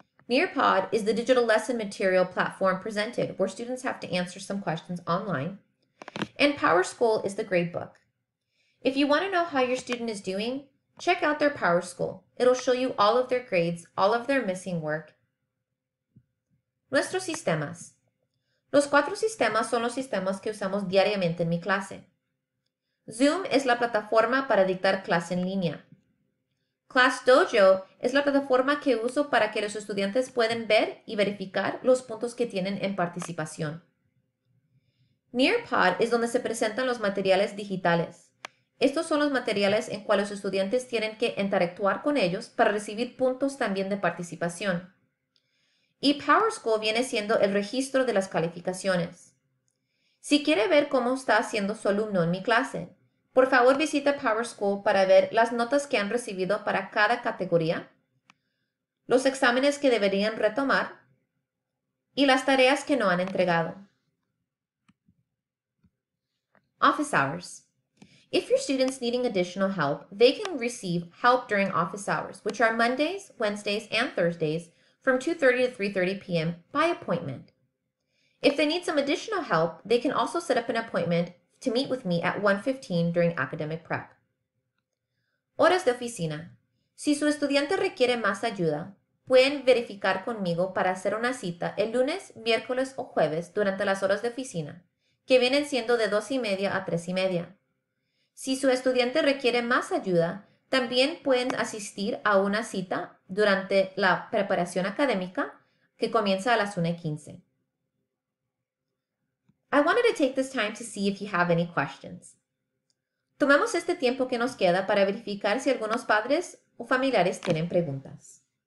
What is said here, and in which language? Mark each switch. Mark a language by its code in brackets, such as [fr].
[en] Nearpod is the digital lesson material platform presented where students have to answer some questions online. And PowerSchool is the gradebook. If you want to know how your student is doing, check out their PowerSchool. It'll show you all of their grades, all of their missing work. [es] Nuestros sistemas. Los cuatro sistemas son los sistemas que usamos diariamente en mi clase. Zoom es la plataforma para dictar clase en línea. ClassDojo es la plataforma que uso para que los estudiantes puedan ver y verificar los puntos que tienen en participación. Nearpod es donde se presentan los materiales digitales. Estos son los materiales en cuales los estudiantes tienen que interactuar con ellos para recibir puntos también de participación. Y PowerSchool viene siendo el registro de las calificaciones. Si quiere ver cómo está haciendo su alumno en mi clase, por favor visite PowerSchool para ver las notas que han recibido para cada categoría, los exámenes que deberían retomar y las tareas que no han entregado. [en] Office hours. If your student's needing additional help, they can receive help during office hours, which are Mondays, Wednesdays, and Thursdays from 2:30 to 3:30 p.m. by appointment. If they need some additional help, they can also set up an appointment to meet with me at 1:15 during academic prep. [es] Horas de oficina. Si su estudiante requiere más ayuda, pueden verificar conmigo para hacer una cita el lunes, miércoles o jueves durante las horas de oficina, que vienen siendo de 2:30 a 3:30. Si su estudiante requiere más ayuda, también pueden asistir a una cita durante la preparación académica que comienza a las 1:15. [en] I wanted to take this time to see if you have any questions. [es] Tomemos este tiempo que nos queda para verificar si algunos padres o familiares tienen preguntas.